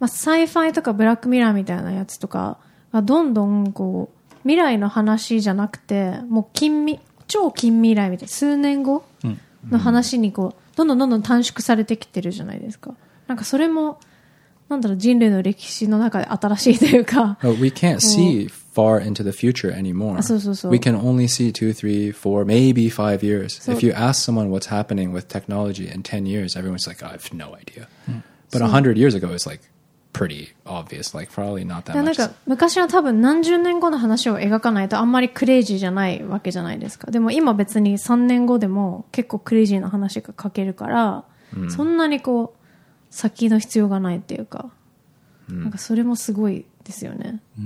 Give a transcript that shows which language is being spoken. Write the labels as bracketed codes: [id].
[ja] まあ、サイファイとかブラックミラーみたいなやつとかがどんどんこう未来の話じゃなくてもう超近未来みたいな数年後の話にこう、うん、どんどんどんどん短縮されてきてるじゃないですか。なんかそれもなんだろう人類の歴史の中で新しいというか。 [en] We can't see far into the future anymore. [ja] そうそうそう。 [en] We can only see 2, 3, 4, maybe 5 years. If you ask someone what's happening with technology in 10 years, everyone's like, I have no idea. But 100 years ago, it's like pretty obvious. Like probably not that much. [ja] なんか昔は多分何十年後の話を描かないとあんまりクレイジーじゃないわけじゃないですか。でも今別に3年後でも結構クレイジーな話が書けるから、そんなにこう。先の必要がないっていうか、なんかそれもすごいですよね。